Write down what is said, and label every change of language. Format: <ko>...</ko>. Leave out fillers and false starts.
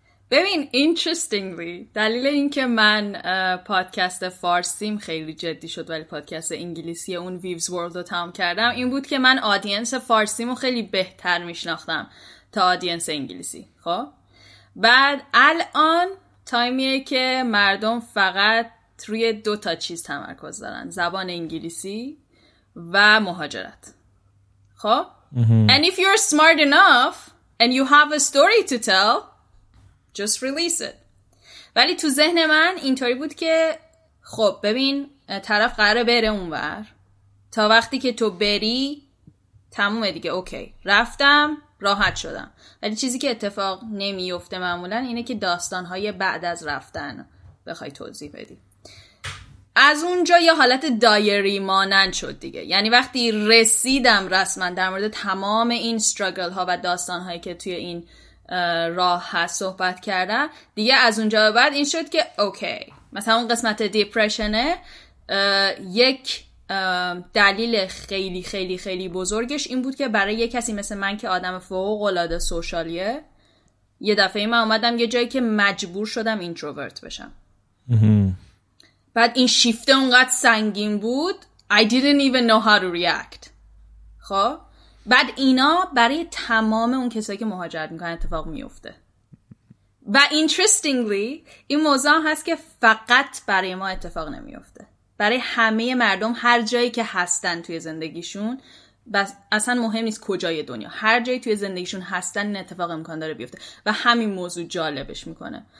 <fa>ببین interestingly دلیل این که من پادکست فارسیم خیلی جدی شد ولی پادکست انگلیسی اون ویوز ورلد رو تموم کردم، این بود که من آدینس فارسیمو خیلی بهتر میشناختم تا آدینس انگلیسی. خب بعد الان تایمیه که مردم فقط روی دو تا چیز تمرکز دارن، زبان انگلیسی و مهاجرت. خب</fa> <en>and if you're smart enough and you have a story to tell just release it.</en> <fa>ولی تو ذهن من اینطوری بود که خب ببین طرف قراره بره اونور، تا وقتی که تو بری تمومه دیگه، اوکی رفتم راحت شدم. ولی چیزی که اتفاق نمیفته معمولا اینه که داستانهای بعد از رفتن بخوای توضیح بدی، از اونجا یه حالت دایری مانند شد دیگه. یعنی وقتی رسیدم رسما در مورد تمام این استراگل ها و داستانهایی که توی این راه هست صحبت کردم، دیگه از اونجا به بعد این شد که اوکی مثلا اون قسمت دیپرشنه یک دلیل خیلی خیلی خیلی بزرگش این بود که برای یه کسی مثل من که آدم فوق‌العاده سوشالیه، یه دفعه من اومدم یه جایی که مجبور شدم اینتروورت بشم. بعد این شیفته اونقدر سنگین بود</fa> <en>I didn't even know how to react.</en> <fa>خب بعد اینا برای تمام اون کسایی که مهاجرت میکنن اتفاق میفته و interestingly این موضوع هست که فقط برای ما اتفاق نمیفته، برای همه مردم هر جایی که هستن توی زندگیشون، بس اصلا مهم نیست کجای دنیا، هر جایی توی زندگیشون هستن این اتفاق امکان داره بیفته و همین موضوع جالبش میکنه.</fa>